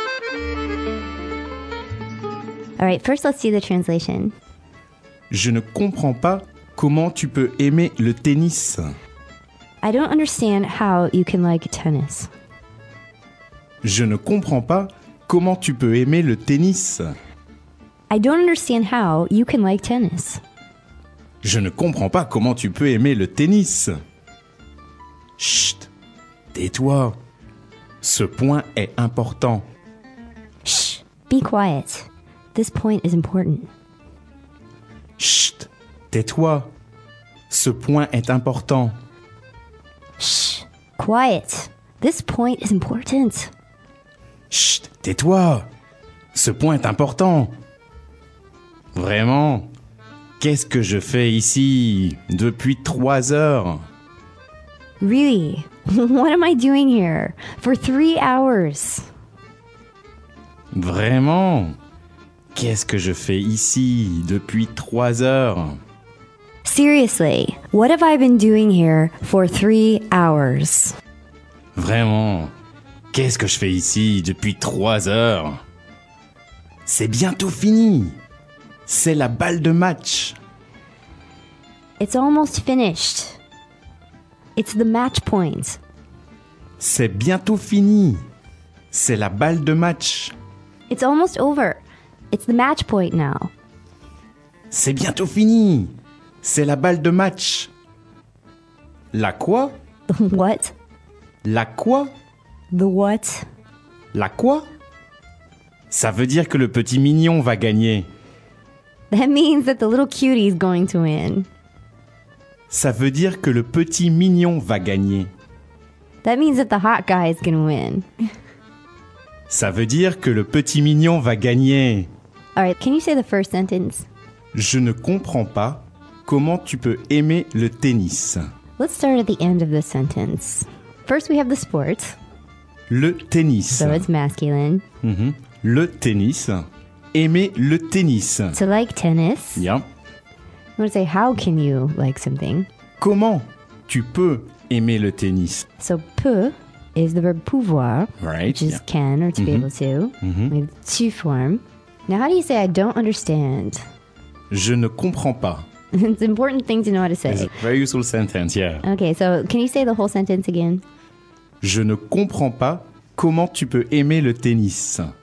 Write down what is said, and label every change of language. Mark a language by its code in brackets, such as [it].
[en] All right, first let's see the translation. [fr] Je ne comprends pas comment tu peux aimer le tennis. [en] I don't understand how you can like tennis. [fr] Je ne comprends pas comment tu peux aimer le tennis. [en] I don't understand how you can like tennis. [fr] Je ne comprends pas comment tu peux aimer le tennis. Chut, tais-toi. Ce point est important. [en] Shh, be quiet. This point is important. [fr] Chut, tais-toi. Ce point est important. [en] Shh, quiet. This point is important. [fr] Chut, tais-toi. Ce point est important. Vraiment, qu'est-ce que je fais ici depuis 3 heures? [en] Really? What am I doing here for 3 hours? [fr] Vraiment? Qu'est-ce que je fais ici depuis 3 heures? [en] Seriously, what have I been doing here for 3 hours? [fr] Vraiment? Qu'est-ce que je fais ici depuis 3 heures? C'est bientôt fini. C'est la balle de match. [en] It's almost finished. It's the match point. [fr] C'est bientôt fini. C'est la balle de match. [en] It's almost over. It's the match point now. [fr] C'est bientôt fini. C'est la balle de match. La quoi? [en] What? [fr] La quoi? [en] The what? [fr] La quoi? Ça veut dire que le petit mignon va gagner. [en] That means that the little cutie is going to win. [fr] Ça veut dire que le petit mignon va gagner. [en] That means that the hot guy is going to win. [fr] Ça veut dire que le petit mignon va gagner. [en] All right, can you say the first sentence? [fr] Je ne comprends pas comment tu peux aimer le tennis. [en] Let's start at the end of the sentence. First, we have the sport. [fr] Le tennis. [en] So it's masculine. [fr] Mm-hmm. Le tennis. aimer le tennis. [en] To like tennis. Yeah. I'm going to say, how can you like something? [fr] Comment tu peux aimer le tennis? [en] So, peut is the verb pouvoir. Right. Which is can or to be able to. Mm-hmm. With tu form. Now, how do you say I don't understand? [fr] Je ne comprends pas. [en] It's an important thing to know how to say. It's a very useful sentence, yeah. Okay, so can you say the whole sentence again? [fr] Je ne comprends pas comment tu peux aimer le tennis.